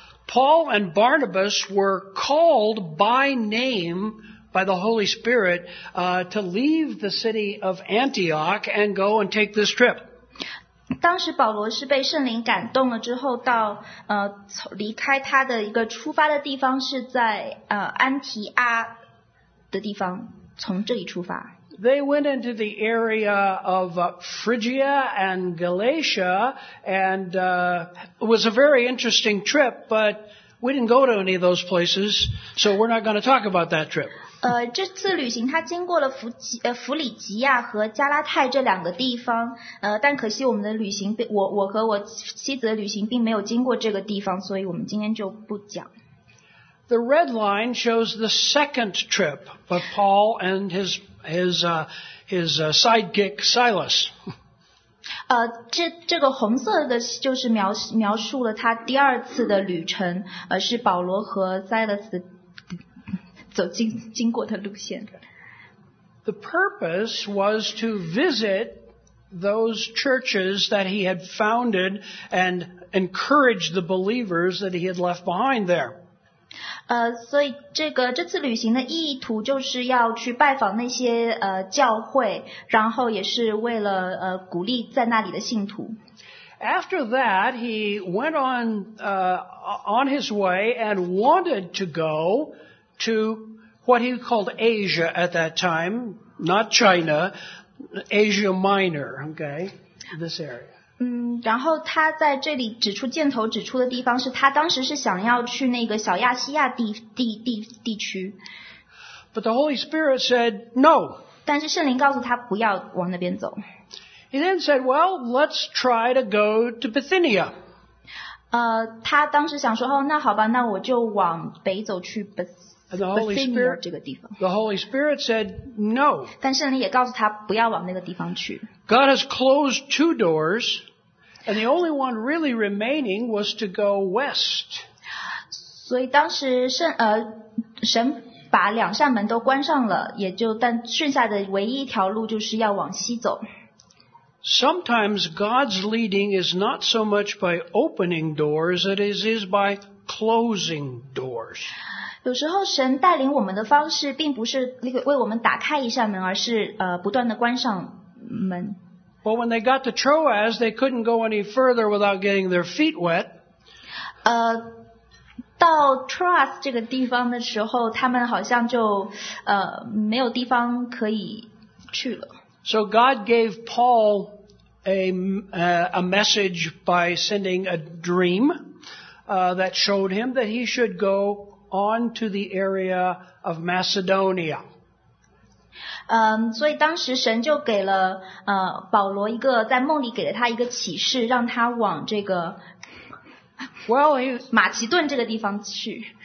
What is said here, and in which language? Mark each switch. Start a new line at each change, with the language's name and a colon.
English: Paul and Barnabas were called by name by the Holy Spirit to leave the city of Antioch and go and take this trip.
Chinese: 当时保罗是被圣灵感动了之后到离开他的一个出发的地方是在安提阿的地方从这里出发。
English: They went into the area of Phrygia and Galatia, and it was a very interesting trip, but we didn't go to any of those places, so we're not going to talk about that trip.
Chinese: 这次旅行他经过了弗里吉亚和加拉泰这两个地方，但可惜我们的旅行，我和我妻子的旅行并没有经过这个地方，所以我们今天就不讲。
English: The red line shows the second trip of Paul and his sidekick Silas.
Chinese: 这个红色的就是描述了他第二次的旅程，是保罗和塞勒斯走经过的路线。
English: The purpose was to visit those churches that he had founded and encourage the believers that he had left behind there.
Chinese: 所以这次旅行的意图就是要去拜访那些教会，然后也是为了鼓励在那里的信徒。
English: After that, he went on his way and wanted to go to what he called Asia at that time, not China, Asia Minor, okay, this area.
Chinese: 然后他在这里指出箭头指出的地方是他当时是想要去那个小亚细亚地区。
English: But the Holy Spirit said no.
Chinese: 但是圣灵告诉他不要往那边走。
English: He then said, well, let's try to go to Bithynia.
Chinese: 他当时想说，哦，那好吧，那我就往北走去
English: Bithynia
Chinese: 这个地方。
English: The Holy Spirit said no.
Chinese: 但圣灵也告诉他不要往那个地方去。
English: God has closed two doors, and the only one really remaining was to go west.
Chinese: 所以当时神把两扇门都关上了，但剩下的唯一一条路就是要往西走。
English: Sometimes God's leading is not so much by opening doors, it is by closing doors.
Chinese: 有时候神带领我们的方式并不是为我们打开一扇门，而是不断的关上。
English: Well, when they got to Troas, they couldn't go any further without getting their feet wet.
Chinese: 到 Troas 这个地方的时候，他们好像就没有地方可以去了。
English: So God gave Paul a message by sending a dream that showed him that he should go on to the area of Macedonia.
Chinese: 所以当时神就给了保罗一个在梦里给了他一个启示，让他往这个马其顿这个地方去。